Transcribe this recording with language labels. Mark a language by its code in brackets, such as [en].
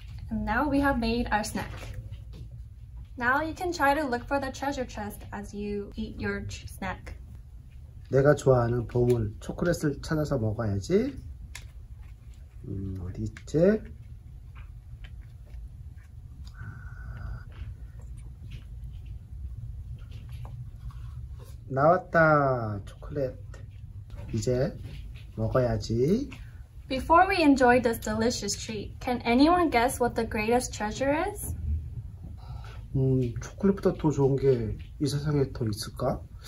[en] And now we have made our snack. Now you can try to look for the treasure chest as you eat your snack. [ko] 내가 좋아하는 보물, 초콜릿을 찾아서 먹어야지. 어디 있지? 나왔다 초콜릿. 이제 먹어야지. [en] Before we enjoy this delicious treat, can anyone guess what the greatest treasure is? [ko] 초콜릿보다 더 좋은 게 이 세상에 더 있을까?